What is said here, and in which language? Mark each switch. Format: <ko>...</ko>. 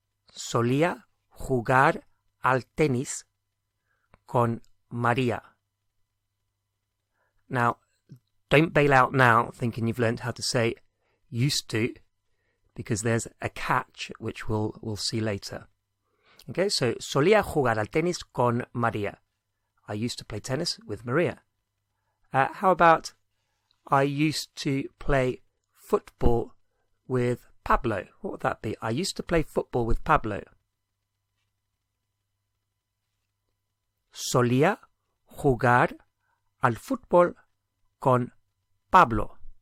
<es>Solía jugar al tenis con María.</es> <en>Now, don't bail out now thinking you've learned how to say used to, because there's a catch which we'll see later. Okay, so</en> <es>solía jugar al tenis con María.</es> <en>I used to play tennis with Maria. How about I used to play football with Pablo? What would that be? I used to play football with Pablo.</en> <es>Solía jugar al fútbol con Pablo.</es>